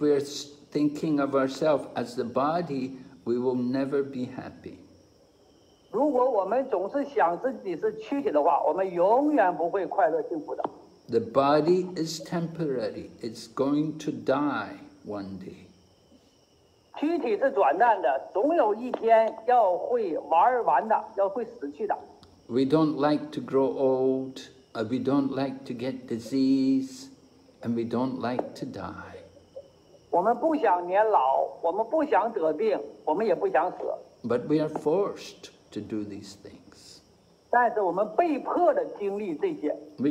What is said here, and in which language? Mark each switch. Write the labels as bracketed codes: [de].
[en] we're thinking of ourselves as the body, we will never be happy. [zh] 如果我们总是想自己是躯体的话，我们永远不会快乐幸福的。The [en] body is temporary; it's going to die one day. [zh] 躯体是短暂的，总有一天要会玩完的，要会死去的。We [en] don't like to grow old, we don't like to get disease, and we don't like to die. [zh] 我们不想年老，我们不想得病，我们也不想死。But [en] we are forced to do these things. [zh] 但是我们被迫地经历这些。We